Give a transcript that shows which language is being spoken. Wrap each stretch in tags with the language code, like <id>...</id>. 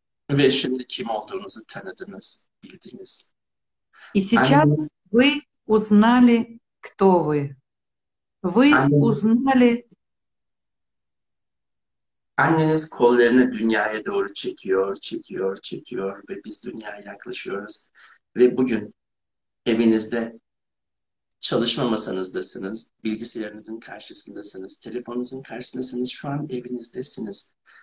<tr>Ve şimdi kim olduğunuzu tanıdınız, bildiniz.</tr> <ru>И сейчас вы узнали, кто вы. Вы узнали.</ru> <tr>Anneniz kollarını dünyaya doğru çekiyor, çekiyor, çekiyor ve biz dünyaya yaklaşıyoruz. Ve bugün evinizde çalışma masanızdasınız, bilgisayarınızın karşısındasınız, telefonunuzun karşısındasınız, şu an evinizdesiniz.</tr>